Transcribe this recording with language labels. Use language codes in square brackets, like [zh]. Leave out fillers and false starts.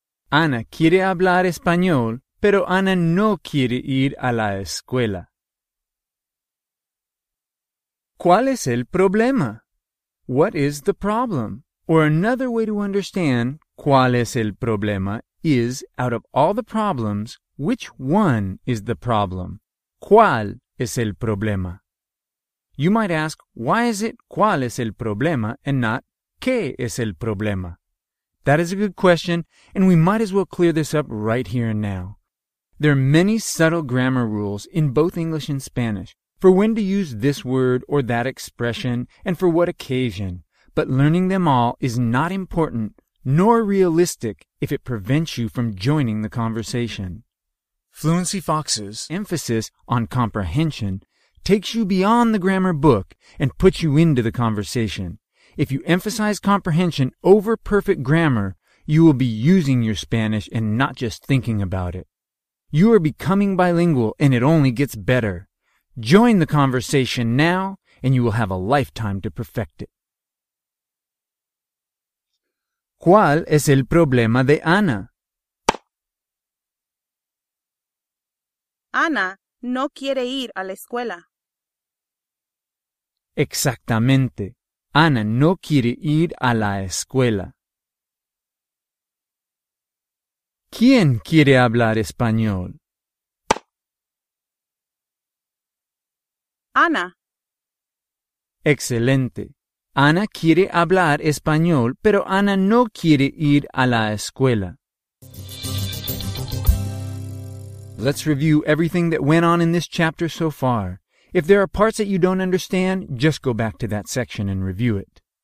[es] Ana quiere hablar español, pero Ana no quiere ir a la escuela. ¿Cuál es el problema? [en] What is the problem? Or another way to understand, [es] ¿cuál es el problema? [en] Is, out of all the problems, which one is the problem? [es] ¿Cuál es el problema? [en] You might ask, why is it [es] cuál es el problema [en] and not [es] qué es el problema? [en] That is a good question, and we might as well clear this up right here and now. There are many subtle grammar rules in both English and Spanish for when to use this word or that expression and for what occasion, but learning them all is not important nor realistic if it prevents you from joining the conversation. Fluency Fox's emphasis on comprehension takes you beyond the grammar book and puts you into the conversation. If you emphasize comprehension over perfect grammar, you will be using your Spanish and not just thinking about it. You are becoming bilingual, and it only gets better. Join the conversation now, and you will have a lifetime to perfect it. [es] ¿Cuál es el problema de Ana? Ana no quiere ir a la escuela. Exactamente. Ana no quiere ir a la escuela. ¿Quién quiere hablar español? Ana. Excelente. Ana quiere hablar español, pero Ana no quiere ir a la escuela. [en] Let's review everything that went on in this chapter so far. If there are parts that you don't understand, just go back to that section and review it.